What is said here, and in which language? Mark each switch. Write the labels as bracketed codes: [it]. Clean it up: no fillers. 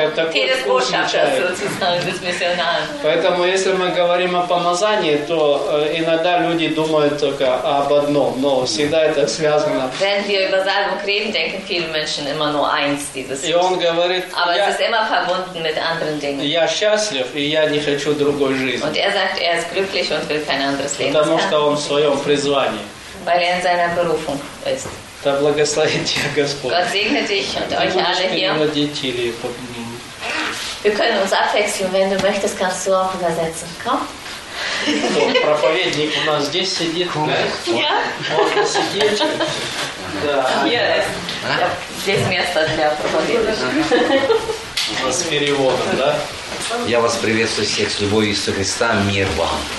[de] Tee des Botschafters, sozusagen, des Missionars. [ru] Поэтому, если мы говорим о помазании, то иногда люди думают только об одном, но всегда это связано. [de] Wenn wir über Salbung reden, denken viele Menschen immer nur eins, dieses. [ru] И он говорит, [de] aber es ist immer verbunden mit anderen Dingen. [ru] Я счастлив, и я не хочу другой жизни. [de] Und er sagt, er ist glücklich und will kein anderes Leben. [ru] Потому что он в своем призвании. [de] Weil er in seiner Berufung ist. [ru] Да благословит тебя Господь. [de] Gott segne dich und euch alle hier. [ru] Ты можешь переводить или поменять. [de] Wir können uns abwechseln, wenn du möchtest, kannst du auch übersetzen. Komm. [ru] So, проповедник у нас здесь сидит. [de] Ja. [ru] Можно сидеть. [de] Hier ist. [ru] Здесь место для проповедника. С переводом, да? Я вас приветствую всех с любовью Иисуса Христа. Мир вам.